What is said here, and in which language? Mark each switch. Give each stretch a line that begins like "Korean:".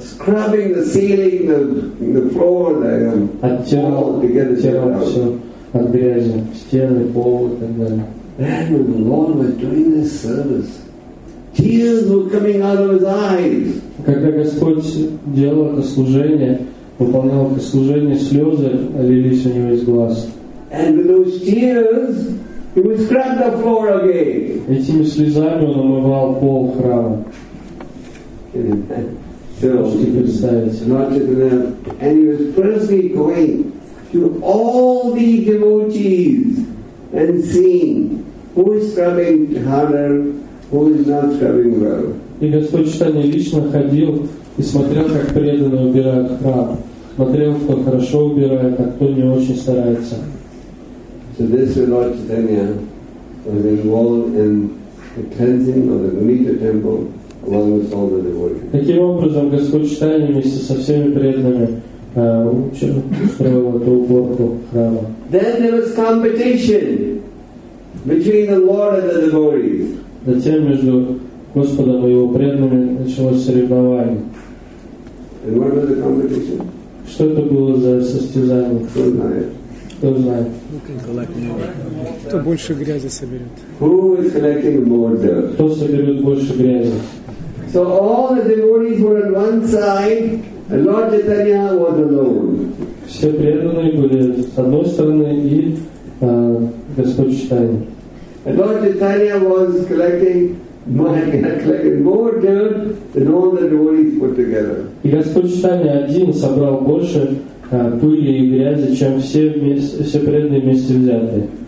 English: Scrubbing the ceiling, the floor, the wall together.
Russian: Все от грязи, стены, пол и так далее.
English: And when the Lord was doing this service, tears were coming out of his eyes.
Russian: Когда Господь делал это служение, выполнял это служение, слезы лились у него из глаз.
English: And with those tears, he would scrub the floor again.
Russian: Этими слезами он умывал пол храма.
English: So, and he was personally going to all the devotees and seeing who is scrubbing harder, who is not scrubbing well.
Russian: И Господь Читание лично ходил и смотрел, как преданные убирают храм. Смотрел, кто хорошо убирает, а кто не очень старается.
English: So this is Lord Chaitanya was involved in the cleansing of the Gunita temple along with all the devotees.
Russian: Таким образом, Господь Читание вместе со всеми преданными устроил эту уборку храма.
English: Then there was competition between the Lord and the devotees.
Russian: Затем между Господа и его преданными началось соревнование.
English: And what was the competition?
Russian: Что это было за состязание? Кто знает? Кто знает? Кто больше грязи соберет?
English: Who is collecting more dirt?
Russian: Кто соберет больше грязи?
English: So all the devotees were on one side, and Lord Chaitanya was alone.
Russian: Все преданные были с одной стороны и Господь Читание.
English: And Lord Chaitanya was collecting.
Russian: И Господь Читания один собрал больше пыли и грязи, чем все вместе, все преданные вместе взятые.